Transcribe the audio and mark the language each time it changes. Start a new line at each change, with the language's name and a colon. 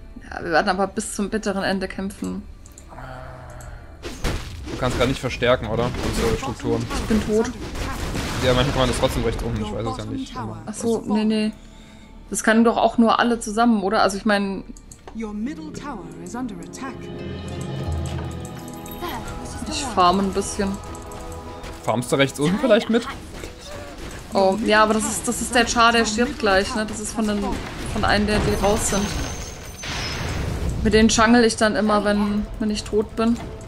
German: Ja, wir werden aber bis zum bitteren Ende kämpfen. Du kannst gar nicht verstärken, oder? Unsere Strukturen. Ich bin tot. Ja, manchmal kann man das trotzdem recht um, ich weiß es ja nicht. Achso, nee. Das kann doch auch nur alle zusammen, oder? Also ich meine...
English: Your middle tower is under attack.
German: Ich farme ein bisschen. Farmst du rechts unten vielleicht mit? Oh, ja, aber das ist der Char, der stirbt gleich, ne? Das ist von einem, der die raus sind. Mit denen jungle ich dann immer, wenn ich tot bin.